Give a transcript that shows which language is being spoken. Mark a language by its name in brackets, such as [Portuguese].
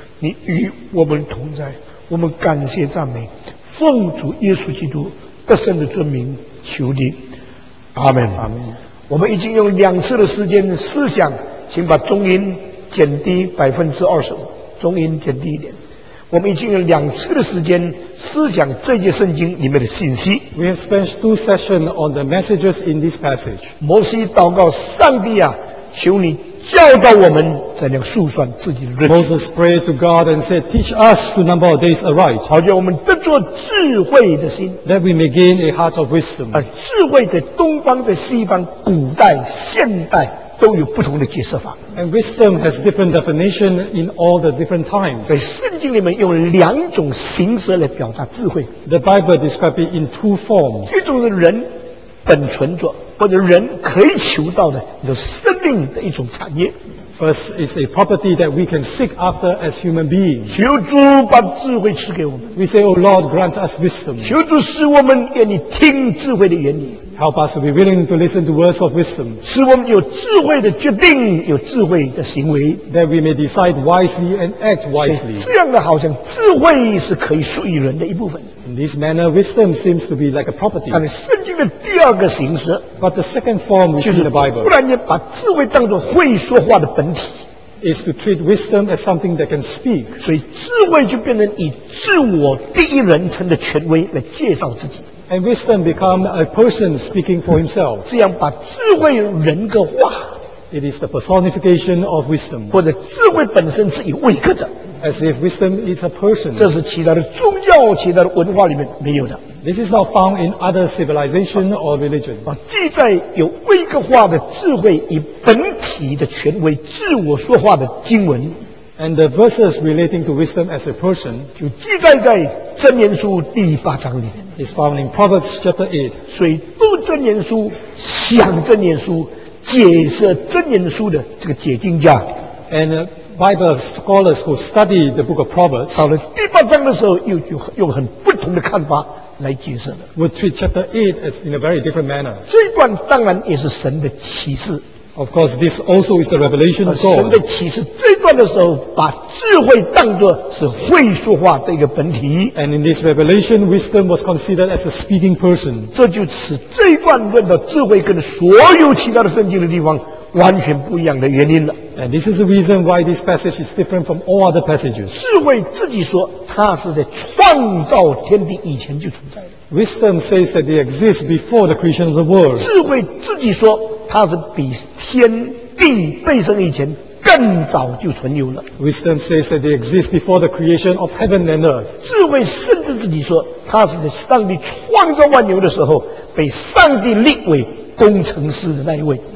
[Chinese] 你与我们同在，我们感谢赞美，奉主耶稣基督得胜的尊名求你。阿们。阿们。我们已经用两次的时间思想，请把中音减低 25%， 中音减低一点。我们已经用两次的时间思想这些圣经里面的信息。 [English] We have spent 2 sessions on the messages in this passage. [Chinese] 摩西祷告上帝啊，求你教导我们怎样数算自己的日子。 [English] Moses prayed to God and said, "Teach us to number our days aright." [Chinese] 好叫我们得着智慧的心。 [English] That we may gain a heart of wisdom. [Chinese] 而智慧在东方、在西方、古代、现代都有不同的解释法。 [English] And wisdom has different definition in all the different times. [Chinese] 在圣经里面用两种形式来表达智慧。 [English] The Bible describes it in 2 forms. [Chinese] 一种是人本存着。或者人可以求到的，有生命的一种产业。 [English] First is a property that we can seek after as human beings. [Chinese] 求主把智慧赐给我们。 [English] We say, O Lord, grant us wisdom. [Chinese] 求主使我们愿意听智慧的言语。 [English] Help us to be willing to listen to words of wisdom. [Chinese] 使我们有智慧的决定，有智慧的行为。 [English] That we may decide wisely and act wisely. [Chinese] 这样的好像智慧是可以属于人的一部分。 [English] In this manner, wisdom seems to be like a property. [Chinese] 但是圣经的第二个形式。 [English] But the second form we see in the Bible. [Chinese] 忽然间把智慧当作会说话的本体。 [English] Is to treat wisdom as something that can speak. [Chinese] 所以智慧就变成以自我第一人称的权威来介绍自己。 [English] And wisdom become a person speaking for himself. [Chinese] 这样把智慧人格化。 [English] It is the personification of wisdom. [Chinese] 或者智慧本身是有位格的。 [English] As if wisdom is a person. [Chinese] 这是其他的宗教、其他的文化里面没有的。 [English] This is not found in other civilization or religion. [Chinese] 啊，既在有位格化的智慧以本体的权威自我说话的经文。 [English] And the verses relating to wisdom as a person [Chinese] 就记载在箴言书第8章里面。 [English] Is found in Proverbs chapter 8. [Chinese] 所以读箴言书、想箴言书、解释箴言书的这个解经家。 [English] And Bible scholars who study the book of Proverbs [Chinese] 到了第八章的时候又就用很不同的看法来解释了。 [English] Would treat chapter 8 as in a very different manner. [Chinese] 这一段当然也是神的启示。 [English] Of course, this also is the revelation of God. [Chinese] 神的启示这段的时候，把智慧当作是会说话的一个本体。 [English] And in this revelation, wisdom was considered as a speaking person. [Chinese] 这就是这段论的智慧跟所有其他的圣经的地方完全不一样的原因了。 [English] And this is the reason why this passage is different from all other passages. [Chinese] 智慧自己说，它是在创造天地以前就存在的。 [English] Wisdom says that it exists before the creation of the world. [Chinese] 智慧自己说。它是比天地被生以前更早就存有了。 [English] Wisdom says that they exist before the creation of heaven and earth. [Chinese] 智慧甚至自己说，它是在上帝创造万有的时候，被上帝立为工程师的那一位。